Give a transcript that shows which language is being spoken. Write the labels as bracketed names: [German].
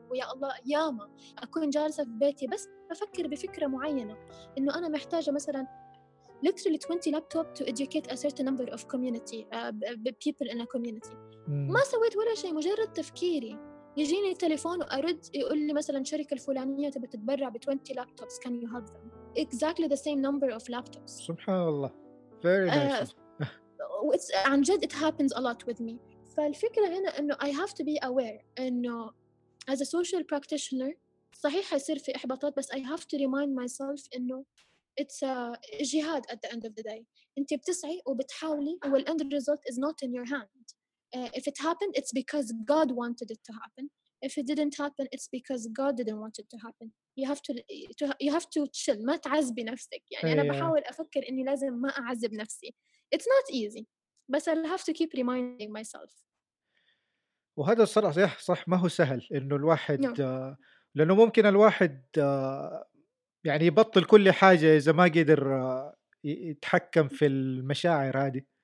[Arabic] ويا الله ياما أكون جالسة في بيتي بس أفكر بفكرة معينة، إنه أنا محتاجة مثلاً [English] literally 20 laptop to educate a certain number of community people in a community. [Arabic] ما سويت ولا شيء، مجرد تفكيري يجيني تليفون وأرد يقول لي مثلاً شركة الفلانية تبي تتبرع ب 20 laptops [English] can you help them exactly the same number of laptops. [Arabic] سبحان الله. [English] Very nice. [Arabic] عن جد [English] it happens a lot with me. [Arabic] فالفكرة هنا إنه [English] I have to be aware إنه as a social practitioner [Arabic] صحيح حيصير في إحباطات بس [English] I have to remind myself إنه it's a jihad at the end of the day. [Arabic] أنت بتسعي وبتحاولي وال [English] end result is not in your hand. If it happened it's because God wanted it to happen. If it didn't happen, it's because God didn't want it to happen. You have to chill. [Arabic] ما تعذبي نفسك. يعني أنا بحاول أفكر إني لازم ما أعذب نفسي. [English] It's not easy. But I'll have to keep reminding myself. [Arabic] وهذا الصراحة صح ما هو سهل إنه الواحد لأنه ممكن الواحد يعني يبطل كل حاجة إذا ما قدر يتحكم في المشاعر هذه.